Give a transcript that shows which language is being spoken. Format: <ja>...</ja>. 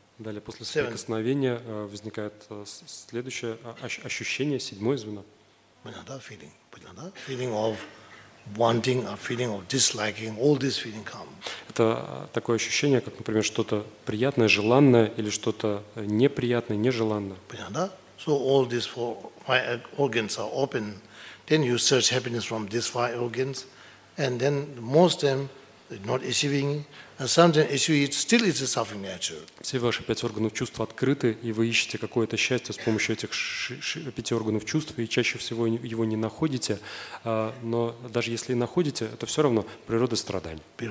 <ru>Далее, после соприкосновения возникает следующее ощущение, седьмое звено. Понятно, да?</ru> <en>Feeling. Понятно, да? Feeling of wanting, a feeling of disliking, all these feelings come.</en> <ru>Это такое ощущение, как, например, что-то приятное, желанное, или что-то неприятное, нежеланное. Понятно, да?</ru> <en>So all these four organs are open. Then you search happiness from these five organs, and then most of them not achieving.</en> <ru>Все ваши пять органов чувств открыты, и вы ищете какое-то счастье с помощью этих пяти органов чувств, и чаще всего его не находите. Но даже если и находите, это все равно природа страданий.</ru>